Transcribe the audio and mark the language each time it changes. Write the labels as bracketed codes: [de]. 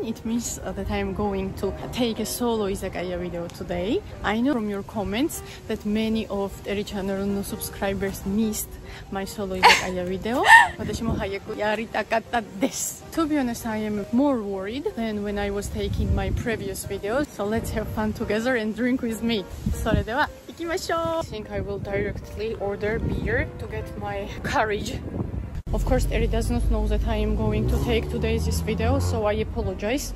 [en] It means that I'm going to take a solo izakaya video today. I know from your comments that many of Teri Channel の subscribers missed my solo izakaya video. [ja] 私も早くやりたかったです。 [en] To be honest, I am more worried than when I was taking my previous videos. So let's have fun together and drink with me. [ja] それでは。 [en] I think I will directly order beer to get my courage. Of course, Terry does not know that I am going to take today's video, so I apologize.